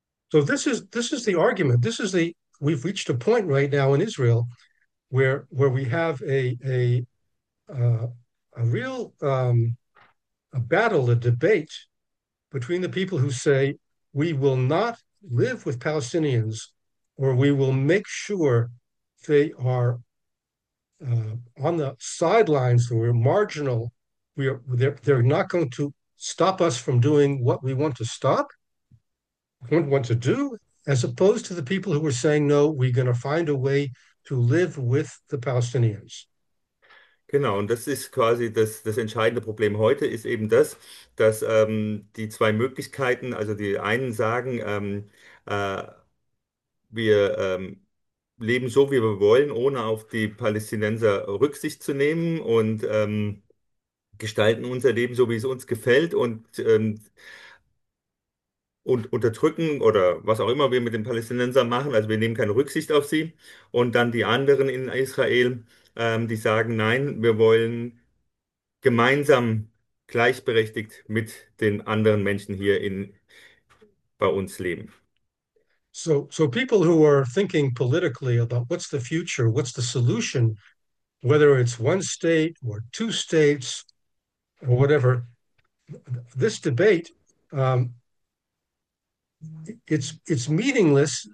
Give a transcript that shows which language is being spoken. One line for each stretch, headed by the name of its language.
English: So this is the argument. This is the we've reached a point right now in Israel where we have a real a battle, a debate between the people who say we will not live with Palestinians or we will make sure they are on the sidelines, we're marginal, they're not going to stop us from doing what we want to stop. Wouldn't want to do, as opposed to the people who were saying, no, we're going to find a way to live with the Palestinians.
German: Genau, und das ist quasi das entscheidende Problem heute, ist eben das, dass die zwei Möglichkeiten, also die einen sagen, wir leben so, wie wir wollen, ohne auf die Palästinenser Rücksicht zu nehmen und gestalten unser Leben so, wie es uns gefällt und unterdrücken oder was auch immer wir mit den Palästinensern machen, also wir nehmen keine Rücksicht auf sie und dann die anderen in Israel. Die sagen, nein, wir wollen gemeinsam gleichberechtigt mit den anderen Menschen hier in bei uns leben.
English: So people who are thinking politically about what's the future, what's the solution, whether it's one state or two states or whatever, this debate, it's meaningless.